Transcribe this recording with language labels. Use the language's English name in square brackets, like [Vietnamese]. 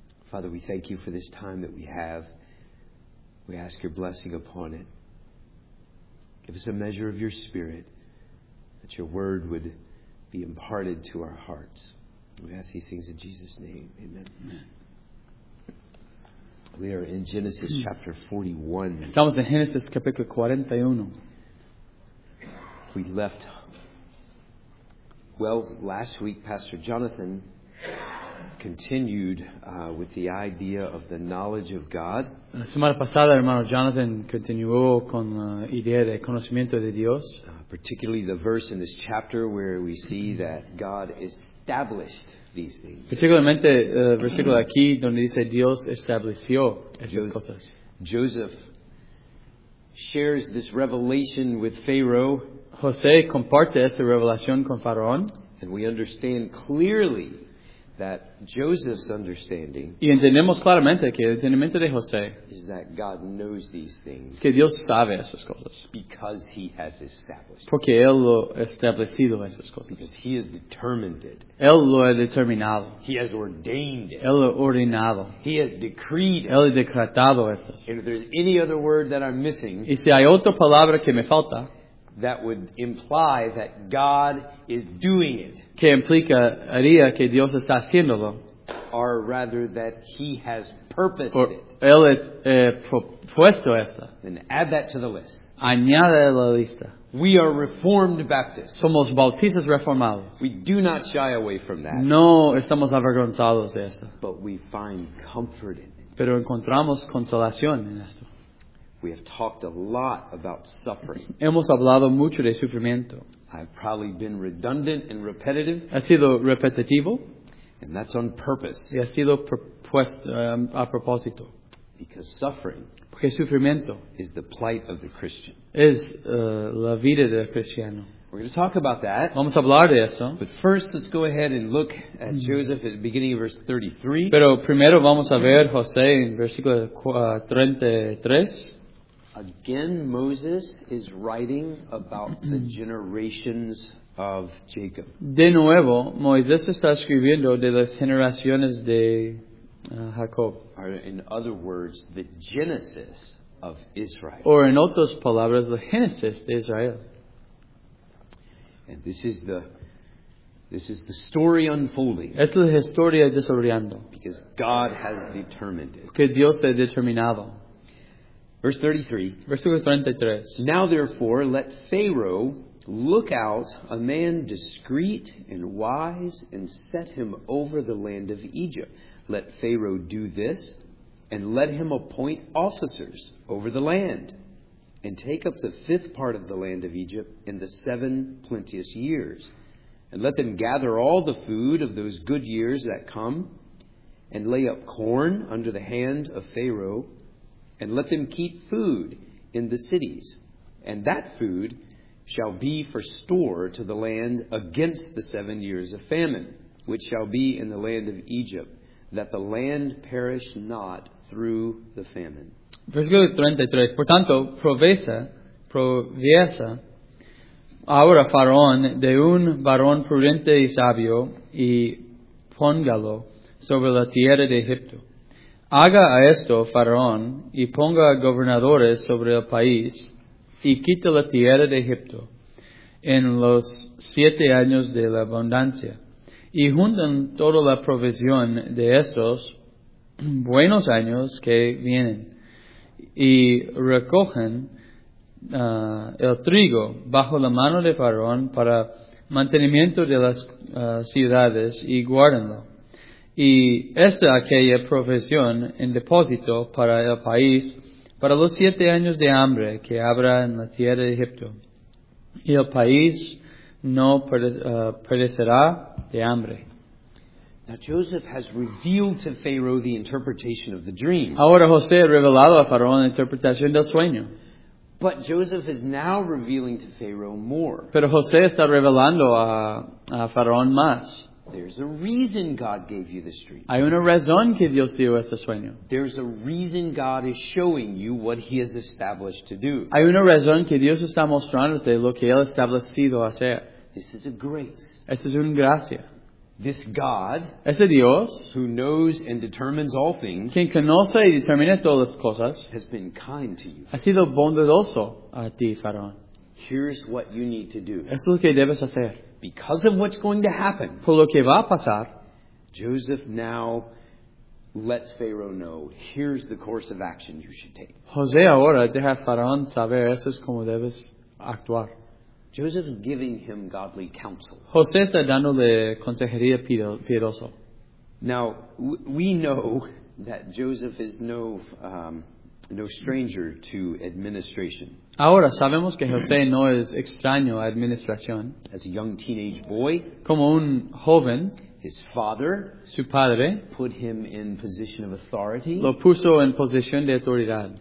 [English] Father, we thank you for this time that we have. We ask your blessing upon it. Give us a measure of your Spirit, that your word would be imparted to our hearts. We ask these things in Jesus' name. Amen. We are in Genesis chapter 41. [Spanish] Estamos en Génesis capítulo 41. [English] We left. Well, last week, Pastor Jonathan continued with the idea of the knowledge of God. [Spanish] La semana pasada, hermano Jonathan continuó con la idea del conocimiento de Dios. [English] Particularly the verse in this chapter where we see that God established these things. [Spanish] Particularmente el versículo aquí donde dice Dios estableció esas cosas. [English] Joseph shares this revelation with Pharaoh. [Spanish] José comparte esta revelación con Faraón. [English] And we understand clearly that Joseph's understanding, [Spanish] y entendemos claramente que el entendimiento de José, [English] is that God knows these things, [Spanish] que Dios sabe esas cosas, [English] because he has established, [Spanish] porque él lo ha establecido esas cosas, [English] because he has determined it, [Spanish] él lo ha determinado, [English] he has ordained it, [Spanish] él lo ha ordenado, [English] he has decreed it, [Spanish] él ha decretado esas. [English] And if there's any other word that I'm missing, [Spanish] y si hay otra palabra que me falta, [English] that would imply that God is doing it. [Spanish] Que implica, haría que Dios está haciéndolo. [English] Or rather that he has purposed or, it. [Spanish] Él propuesto esto. [English] And add that to the list. [Spanish] Añade a la lista. [English] We are Reformed Baptists. [Spanish] Somos bautistas reformados. [English] We do not shy away from that. [Spanish] No estamos avergonzados de esto. [English] But we find comfort in it. [Spanish] Pero encontramos consolación en esto. [English] We have talked a lot about suffering. [Spanish] Hemos hablado mucho de sufrimiento. [English] I've probably been redundant and repetitive. [Spanish] Ha sido repetitivo. [English] And that's on purpose. [Spanish] Y ha sido a propósito. [English] Because suffering, [Spanish] porque sufrimiento, [English] is the plight of the Christian. [Spanish] Es la vida del cristiano. [English] We're going to talk about that. [Spanish] Vamos a hablar de eso. [English] But first, let's go ahead and look at Joseph at the beginning of verse 33. [Spanish] Pero primero vamos a ver José en versículo 33. [English] Again, Moses is writing about the generations of Jacob. [Spanish] De nuevo, Moisés está escribiendo de las generaciones de Jacob. [English] Or in other words, the genesis of Israel. Or [Spanish] en otras palabras, la génesis de Israel. [English] And this is the story unfolding. [Spanish] Esta es la historia desarrollando. [English] Because God has determined it. [Spanish] Porque Dios ha determinado. [English] Verse 33. Now therefore, let Pharaoh look out a man discreet and wise and set him over the land of Egypt. Let Pharaoh do this and let him appoint officers over the land. And take up the fifth part of the land of Egypt in the seven plenteous years. And let them gather all the food of those good years that come, and lay up corn under the hand of Pharaoh, and let them keep food in the cities. And that food shall be for store to the land against the 7 years of famine, which shall be in the land of Egypt, that the land perish not through the famine. [Spanish] Versículo 33. Por tanto, proviesa ahora Faraón de un varón prudente y sabio y póngalo sobre la tierra de Egipto. Haga a esto Faraón y ponga gobernadores sobre el país y quite la tierra de Egipto en los 7 años de la abundancia. Y junten toda la provisión de estos buenos años que vienen y recogen el trigo bajo la mano de Faraón para mantenimiento de las ciudades y guárdenlo. Y esta aquella provisión en depósito para el país para los 7 años de hambre que habrá en la tierra de Egipto. Y el país no perecerá de hambre. [English] Now Joseph has revealed to Pharaoh the interpretation of the dream. [Spanish] Ahora José ha revelado a Faraón la interpretación del sueño. [English] But Joseph is now revealing to Pharaoh more. [Spanish] Pero José está revelando a Faraón más. [English] There's a reason God gave you this dream. [Spanish] Hay una razón que Dios dio este sueño. [English] There's a reason God is showing you what He has established to do. [Spanish] Hay una razón que Dios está mostrándote lo que Él ha establecido hacer. [English] This is a grace. [Spanish] Esta es una gracia. [English] This God, [Spanish] ese Dios, [English] who knows and determines all things, [Spanish] quien conoce y determina todas las cosas, [English] has been kind to you. [Spanish] Ha sido bondadoso a ti, Faraón. [English] Here's what you need to do. [Spanish] Esto es lo que debes hacer. [English] Because of what's going to happen, [Spanish] por lo que va a pasar, [English] Joseph now lets Pharaoh know, here's the course of action you should take. [Spanish] José ahora deja a Faraón saber, eso es como debes actuar. [English] Joseph is giving him godly counsel. [Spanish] José está dándole consejería piedoso. [English] Now, we know that Joseph is no stranger to administration. [Spanish] Ahora, sabemos que José no es extraño a administración. [English] As a young teenage boy, [Spanish] como un joven, [English] his father, [Spanish] su padre, [English] put him in position of authority, [Spanish] lo puso en posición de autoridad,